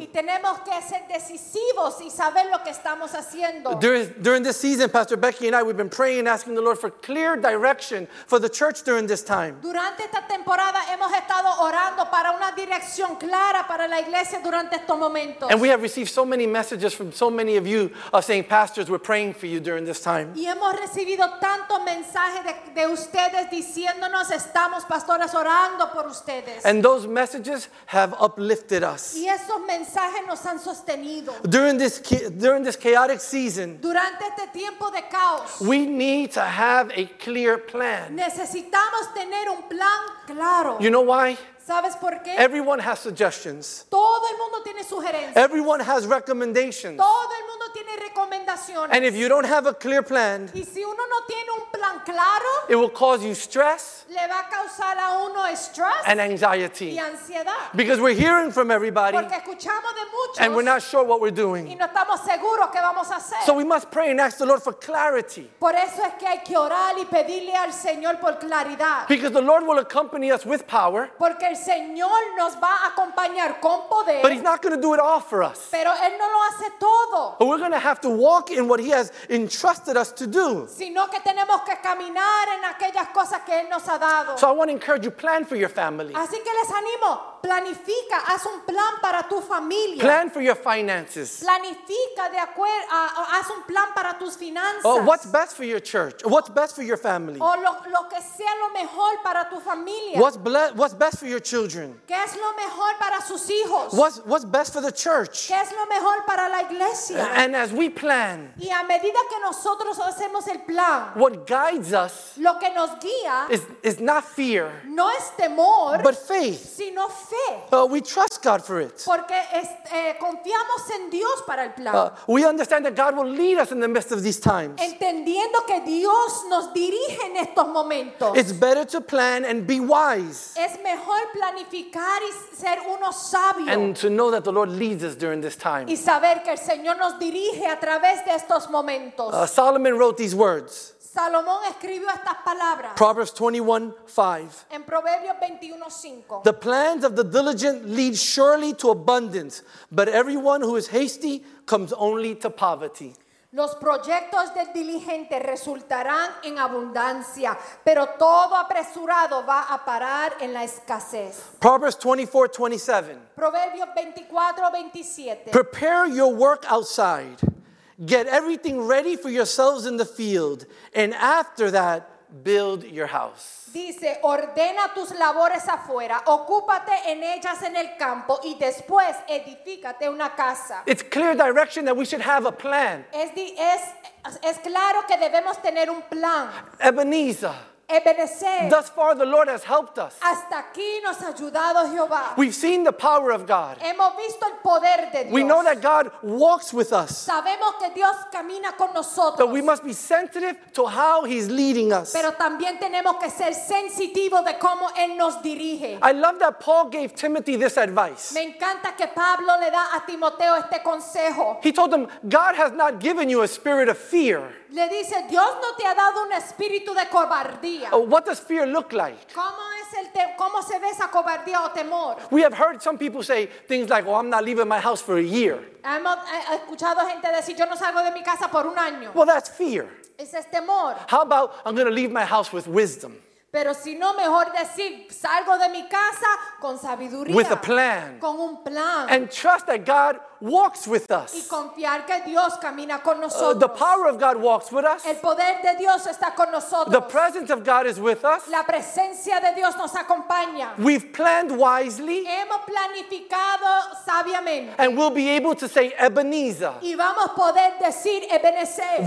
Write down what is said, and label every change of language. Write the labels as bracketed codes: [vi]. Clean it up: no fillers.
[es] Y tenemos que ser decisivos y saber lo que estamos haciendo. [en] During this season, Pastor Becky and I, we've been praying and asking the Lord for clear direction for the church during this time. [es] Durante esta temporada hemos estado orando para una dirección clara para la iglesia durante estos momentos. [en] And we have received so many messages from so many of you saying, pastors, we're praying for you during this time. [es] Y hemos recibido tanto mensaje de ustedes diciéndonos estamos pastores orando por ustedes. [en] And those messages have uplifted us. [es] Y esos mensajes nos han sostenido. [en] During this chaotic season. [es] Durante este tiempo de caos. [en] We need to have a clear plan. [es] Necesitamos tener un plan claro. [en] You know why? [es] ¿Sabes por qué? [en] Everyone has suggestions. [es] Todo el mundo tiene sugerencias. [en] Everyone has recommendations. [es] Todo el mundo tiene recomendaciones. [en] And if you don't have a clear plan, [es] y si uno no tiene un plan claro, [en] it will cause you stress, [es] le va a causar a uno stress [en] and anxiety. [es] Y ansiedad. [en] Because we're hearing from everybody, [es] porque escuchamos de muchos, [en] and we're not sure what we're doing. [es] Y no estamos seguros qué vamos a hacer. [en] So we must pray and ask the Lord for clarity. [es] Por eso es que hay que orar y pedirle al Señor por claridad. [en] Because the Lord will accompany us with power. [es] Porque el Señor nos va a acompañar con poder. [en] But he's not going to do it all for us. [es] Pero él no lo hace todo. [en] But we're going to have to walk in what he has entrusted us to do. [es] Sino que tenemos que caminar en aquellas cosas que él nos ha dado. [en] So I want to encourage you, plan for your family. [es] Así que les animo, planifica, haz un plan para tu familia. [en] Plan for your finances. [es] Planifica de acuerdo, haz un plan para tus finanzas. [en] Or what's best for your church? What's best for your family? [es] O lo que sea lo mejor para tu familia. [en] What's best for your children? [es] ¿Qué es lo mejor para sus hijos? [en] What's best for the church? [es] ¿Qué es lo mejor para la iglesia? [en] And as we plan, [es] y a medida que nosotros hacemos el plan, [en] what guides us, [es] lo que nos guía, [en] is not fear, [es] no es temor, [en] but faith, [es] sino fe. [en] We trust God for it. [es] Porque confiamos en Dios para el plan. [en] We understand that God will lead us in the midst of these times. [es] Entendiendo que Dios nos dirige en estos momentos. [en] It's better to plan and be wise. [es] Es mejor planificar y ser uno sabio. [en] And to know that the Lord leads us during this time. [es] Y saber que el Señor nos dirige a través de estos momentos. [en] Solomon wrote these words. [es] Salomón escribió estas palabras. [en] Proverbs 21:5. [es] En Proverbios 21:5. [en] The plans of the diligent lead surely to abundance, but everyone who is hasty comes only to poverty. [es] Los proyectos del diligente resultarán en abundancia, pero todo apresurado va a parar en la escasez. [en] Proverbs 24:27. [es] Proverbios 24:27. [en] Prepare your work outside. Get everything ready for yourselves in the field, and after that, build your house. [es] Dice, ordena tus labores afuera, ocúpate en ellas en el campo, y después edifícate una casa. [en] It's clear direction that we should have a plan. [es] Es claro que debemos tener un plan. [en] Ebenezer. [es] Ebenezer. [en] Thus far, the Lord has helped us. [es] Hasta aquí nos ha ayudado Jehová. [en] We've seen the power of God. [es] Hemos visto el poder de Dios. [en] We know that God walks with us. [es] Sabemos que Dios camina con nosotros. [en] But we must be sensitive to how He's leading us. [es] Pero también tenemos que ser sensitivos de cómo Él nos dirige. [en] I love that Paul gave Timothy this advice. [es] Me encanta que Pablo le da a Timoteo este consejo. [en] He told him, God has not given you a spirit of fear. [es] Le dice, Dios no te ha dado un espíritu de cobardía. [en] What does fear look like? [es] ¿Cómo se ve esa cobardía o temor? [en] We have heard some people say things like, oh, I'm not leaving my house for a year. [es] Hemos escuchado gente decir, yo no salgo de mi casa por un año. [en] Well, that's fear. [es] Ese es temor. [en] How about, I'm going to leave my house with wisdom? [es] Pero si no, mejor decir, salgo de mi casa con sabiduría. [en] With a plan. [es] Con un plan. [en] And trust that God walks with us. [es] Y confiar que Dios camina con nosotros. [en] The power of God walks with us. [es] El poder de Dios está con nosotros. [en] The presence of God is with us. [es] La presencia de Dios nos acompaña. [en] We've planned wisely. [es] Hemos planificado sabiamente. [en] And we'll be able to say Ebenezer. [es] Y vamos poder decir Ebenezer.